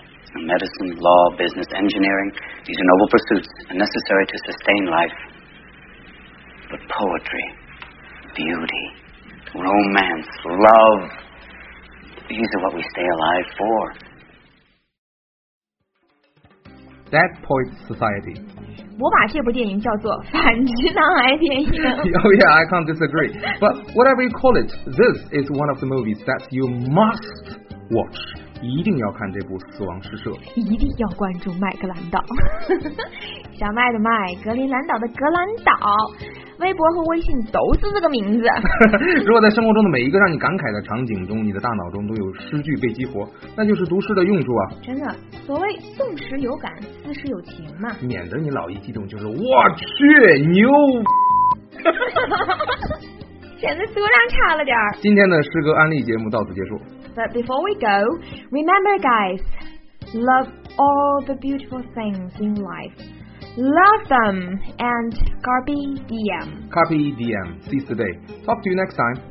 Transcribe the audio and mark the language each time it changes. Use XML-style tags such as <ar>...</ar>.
<en>Medicine, law, business, engineering, these are noble pursuits and necessary to sustain life. But poetry, beauty, romance, love, these are what we stay alive for. Dead Poets Society.</en> <zh>我把这部电影叫做反直男癌电影。</zh> <en>Oh yeah, I can't disagree. But whatever you call it, this is one of the movies that you must watch.</en> <zh>一定要看这部《死亡诗社》。一定要关注麦格兰岛。小麦的麦，格林兰岛的格兰岛。微博和微信都是这个名字。如果在生活中的每一个让你感慨的场景中，你的大脑中都有诗句被激活，那就是读诗的用处啊。真的，所谓纵使有感，思时有情嘛。免得你老一激动就是我去牛。显得词量差了点。今天的诗歌安利节目到此结束。</zh> <en>But before we go, remember guys, love all the beautiful things in life. Love them and carpe diem. Carpe diem. Seize the day. Talk to you next time.</en>